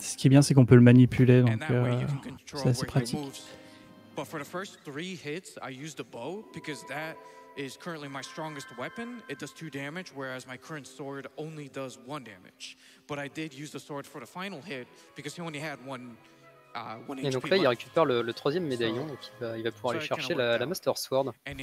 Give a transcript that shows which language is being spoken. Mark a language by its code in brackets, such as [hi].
[fr] Ce qui est bien, c'est qu'on peut le manipuler, donc c'est assez pratique. [en] But for the first three hits, I used a bow because that is currently my strongest weapon. It does two damage, whereas my current sword only does one damage. But I did use the sword for the final hit because he only had one. [fr] Et donc là, il récupère le troisième médaillon, donc il va pouvoir aller chercher la Master Sword.